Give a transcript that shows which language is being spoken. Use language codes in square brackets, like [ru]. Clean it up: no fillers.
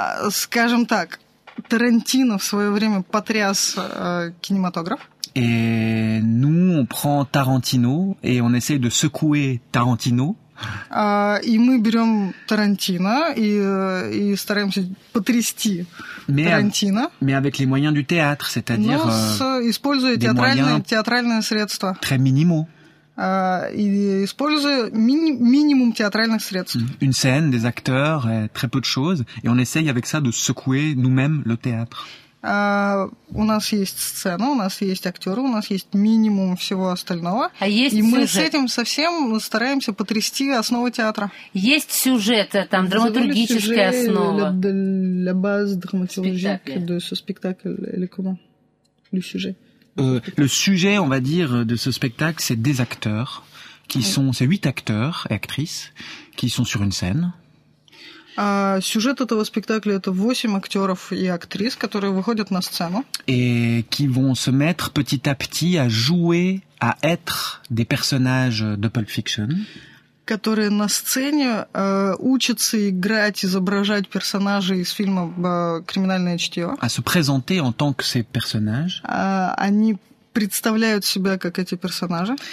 [ru] Скажем так, Тарантино в свое время потряс кинематограф. [fr] Et nous, on prend Tarantino et on essaye de secouer Tarantino. [ru] И мы берем Тарантино и стараемся потрясти Тарантино. [fr] Mais avec les moyens du théâtre, c'est-à-dire [ru] используя театральные средства. [fr] Très minimaux. [ru] Используя минимум театральных средств. [fr] Une scène, des acteurs, très peu de choses, et on essaye avec ça de secouer nous-mêmes le théâtre. [ru] У нас есть сцена, у нас есть актеры, у нас есть минимум всего остального. А есть и сюжет. Мы с этим совсем стараемся потрясти основу театра. Есть сюжет, там драматургическая сюжет, основа. [fr] La base dramaturgique de ce spectacle, или comment? Le sujet. Le sujet, on va dire, de ce spectacle, c'est des acteurs qui sont, c'est 8 acteurs et actrices qui sont sur une scène. [ru] Сюжет этого спектакля это 8 актеров и актрис, которые выходят на сцену. [fr] Et qui vont se mettre petit à petit à jouer, à être des personnages de Pulp Fiction. [ru] Которые на сцене учатся играть, изображать персонажей из фильма «Криминальное чтиво». [fr] À se présenter en tant que ces personnages. [ru] Они представляют себя как эти персонажи.